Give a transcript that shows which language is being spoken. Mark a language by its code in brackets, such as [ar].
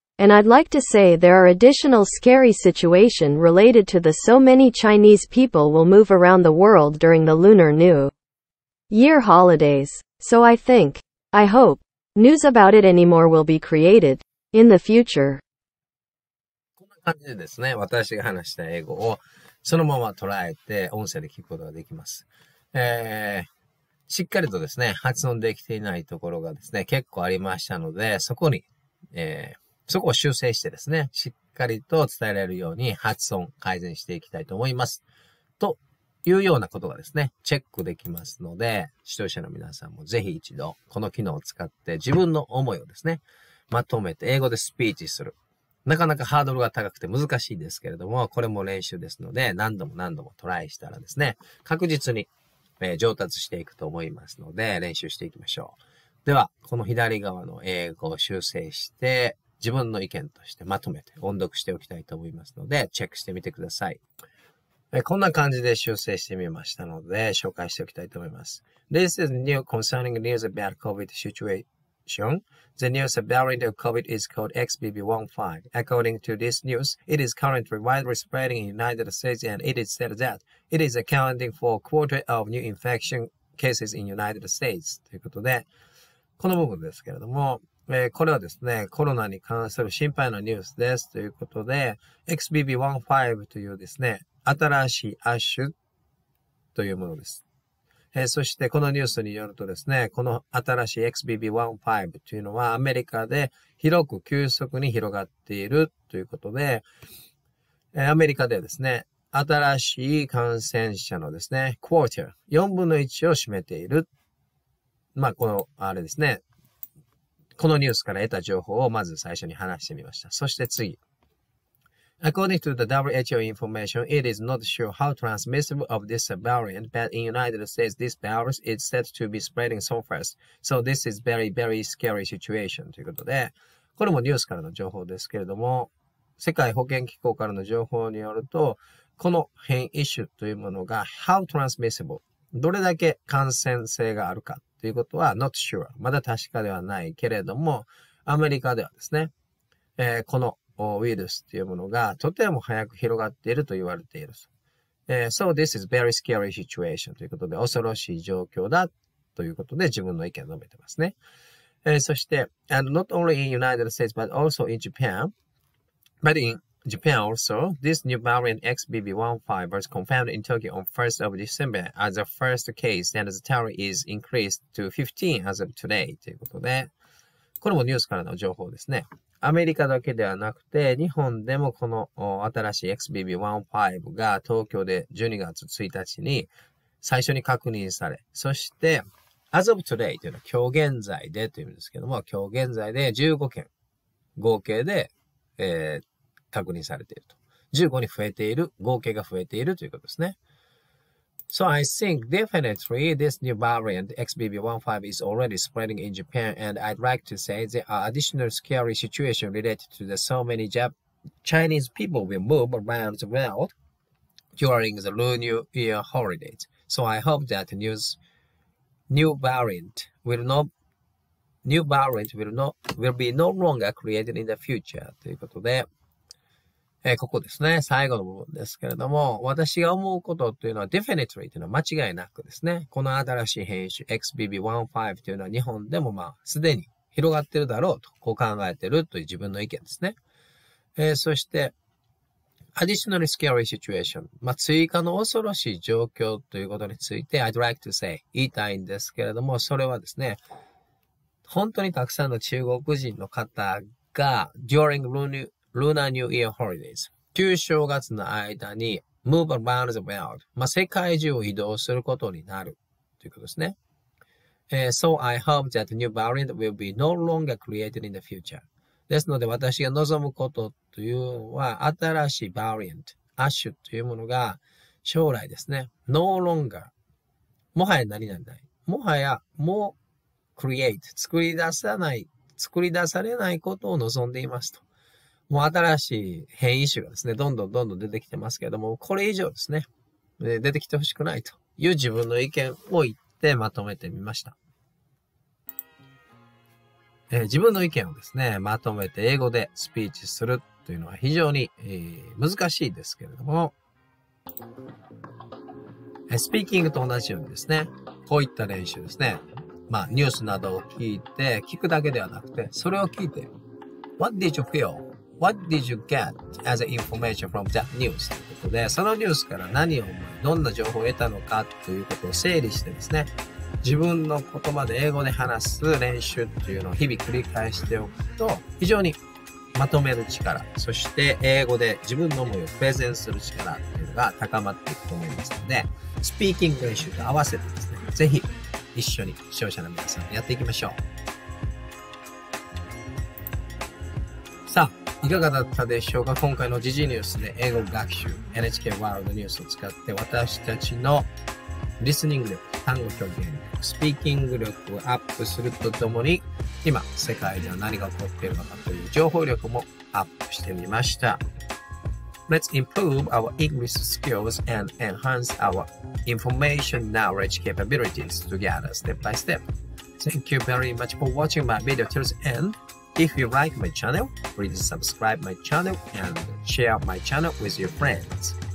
[en] And I'd like to say there are additional scary situation related to the so many Chinese people will move around the world during the Lunar New Year holidays. So I think, I hope, news about it anymore will be created in the future. [ja] こんな感じでですね、私が話した英語をそのまま捉えて音声で聞くことができます。しっかりとですね、発音できていないところがですね、結構ありましたので、そこに、そこを修正してですね、しっかりと伝えられるように発音改善していきたいと思います。というようなことがですね、チェックできますので、視聴者の皆さんもぜひ一度この機能を使って自分の思いをですね、まとめて英語でスピーチする。なかなかハードルが高くて難しいですけれども、これも練習ですので、何度も何度もトライしたらですね、確実に上達していくと思いますので、練習していきましょう。では、この左側の英語を修正して、自分の意見としてまとめて音読しておきたいと思いますので、チェックしてみてください。こんな感じで修正してみましたので、紹介しておきたいと思います。 [en] This is new concerning news about COVID situation. The new variant of COVID is called XBB15. According to this news, it is currently widely spreading in the United States and it is said that it is accounting for a quarter of new infection cases in the United States. [ja] ということで、この部分ですけれども、これはですね、コロナに関する心配のニュースですということで、XBB15 というですね、新しい亜種というものです。そしてこのニュースによるとですね、この新しい XBB15 というのはアメリカで広く急速に広がっているということで、アメリカでですね、新しい感染者のですね、quarter、4分の1を占めている。まあ、この、あれですね、このニュースから得た情報をまず最初に話してみました。そして次。 [en] According to the WHO information, it is not sure how transmissible of this variant, but in United States, this virus is said to be spreading so fast. So this is very, very scary situation. [ja] ということで、これもニュースからの情報ですけれども、世界保健機構からの情報によると、この変異種というものが [en] how transmissible、 [ja] どれだけ感染性があるかということは [en] not sure、 [ja] まだ確かではないけれども、アメリカではですね、このウイルスというものがとても早く広がっていると言われている。 [en] So this is very scary situation [ja] ということで恐ろしい状況だということで自分の意見を述べてますね。 [en] そして、and not only in United States but also in Japan, but in Japan also, this new variant XBB15 was confirmed in Tokyo on 1st of December as the first case and the tally is increased to 15 as of today [ja] ということで、これもニュースからの情報ですね。アメリカだけではなくて、日本でもこの新しい XBB15 が東京で12月1日に最初に確認され、そして、 [en] as of today [ja] というのは今日現在でというんですけども、今日現在で15件、合計で、確認されていると。 15に増えている、合計が増えているということですね。 [en] So I think definitely this new variant XBB15 is already spreading in Japan and I'd like to say there are additional scary situations related to the so many Chinese people will move around the world during the Lunar New Year holidays. So I hope that new variant will no longer created in the future. [ja] ということで、ここですね。最後の部分ですけれども、私が思うことというのは、definitely というのは間違いなくですね。この新しい変異種 XBB15 というのは日本でもまあ、すでに広がってるだろうと、こう考えてるという自分の意見ですね。 [en] そして、additionally scary situation。 [ja] まあ、追加の恐ろしい状況ということについて、 [en] I'd like to say、 [ja] 言いたいんですけれども、それはですね、本当にたくさんの中国人の方が、 [en] during Lunar New Year holidays. [ja] 旧正月の間に [en] move around the world. [ja] まあ、世界中を移動することになるということですね。 [en] So I hope that new variant will be no longer created in the future. [ja] ですので私が望むことというのは新しいバリエント、アッシュというものが将来ですね、 [en] No longer、 [ja] もはや何なんない、もはやもう create、作り出さない、作り出されないことを望んでいますと。もう新しい変異種がですね、どんどんどんどん出てきてますけれども、これ以上ですね、出てきてほしくないという自分の意見を言ってまとめてみました。自分の意見をですね、まとめて英語でスピーチするというのは非常に、難しいですけれども、スピーキングと同じようにですね、こういった練習ですね、まあニュースなどを聞いて、聞くだけではなくて、それを聞いて、 [en] What did you feel? What did you get as information from that news? [ja] ということで、そのニュースから何を思い、どんな情報を得たのかということを整理してですね、自分の言葉で英語で話す練習というのを日々繰り返しておくと、非常にまとめる力、そして英語で自分の思いをプレゼンする力というのが高まっていくと思いますので、スピーキング練習と合わせてですね、ぜひ一緒に視聴者の皆さんやっていきましょう。さあ、いかがだったでしょうか。今回の時事ニュースで英語学習、 NHK ワールドニュースを使って私たちのリスニング力、単語表現力、スピーキング力をアップするとともに、今世界では何が起こっているのかという情報力もアップしてみました。 [en] Let's improve our English skills and enhance our information knowledge capabilities together step by step. Thank you very much for watching my video till the end. If you like my channel, please subscribe my channel and share my channel with your friends.